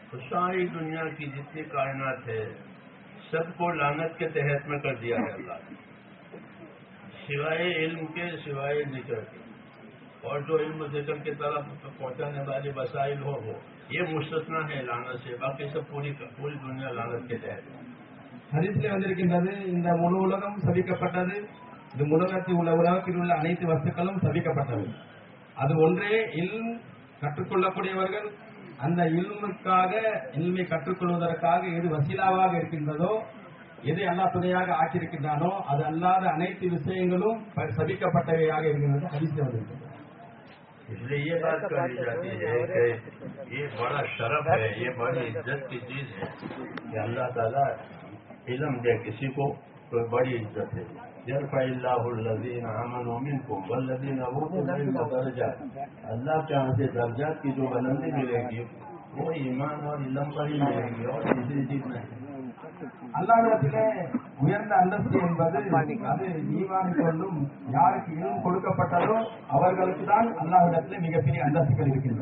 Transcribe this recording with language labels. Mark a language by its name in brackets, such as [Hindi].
[Urdu] ساری دنیا کی جتنی کائنات ہے سب کو لعنت کے تحت میں کر دیا ہے اللہ، سوائے علم کے سوائے ذکر کے، اور جو علم ذکر کی طرف پہنچانے والے وسائل ہو وہ یہ مستثنا ہے لعنت سے، باقی سب پوری دنیا لعنت کے تحت ہے. [Tamil] ஹரிசிலே வந்திருக்கின்றது, இந்த முழு உலகம் சபிக்கப்பட்டது, இந்த உலகத்தில் உலகத்தில் உள்ள அனைத்து வஸ்துக்களும் சபிக்கப்பட்டது. அது ஒன்றே இல்ம் கற்றுக்கொள்ளக்கூடியவர்கள் அந்த இல்முக்காக இல்மை கற்றுக்கொள்வதற்காக எது வசீலாவாக இருக்கின்றதோ, எதை அல்லாஹ் துணையாக ஆக்கியிருக்கின்றானோ, அது அல்லாத அனைத்து விஷயங்களும் சபிக்கப்பட்டவையாக இருக்கின்றது. ஹரிசிலே வந்திருக்கின்றது, [Urdu] اس لیے یہ بات کہی جاتی ہے کہ یہ بڑا شرف ہے، یہ بڑی عزت کی چیز ہے کہ اللہ تعالیٰ علم دے کسی کو، تو بڑی عزت ہے. [Arabic] یرفع اللہ الذین آمنوا منکم والذین اوتوا العلم درجات، [Urdu] اللہ کے یہاں سے درجات کی جو بلندی ملے گی وہ ایمان اور علم پر ہی ملے گی، اور اسی چیز میں [Tamil] அல்லாஹ் உயர்ந்த அந்தஸ்து என்பது அது ஈமான் கொள்ளும் யாருக்கு இன்னும் கொடுக்கப்பட்டதோ அவர்களுக்கு தான் அல்லாஹ்விடத்தில் மிகப்பெரிய அந்தஸ்துகள்